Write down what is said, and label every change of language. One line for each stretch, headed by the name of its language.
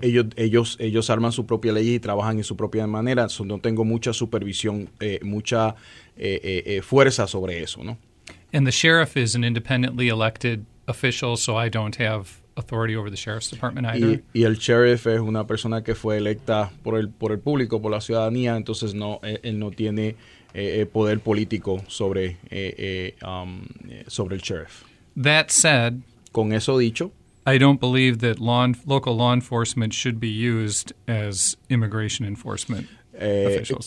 Spanish: Ellos arman su propia ley y trabajan en su propia manera. So, no tengo mucha supervisión, mucha fuerza sobre eso, ¿no?
English: And the sheriff is an independently elected official, so I don't have authority over the sheriff's department either.
Spanish: Y el sheriff es una persona que fue electa por el público, por la ciudadanía, entonces no, él no tiene poder político sobre el sheriff.
English: That said,
Spanish: con eso dicho,
English: I don't believe that local law enforcement should be used as immigration enforcement officials.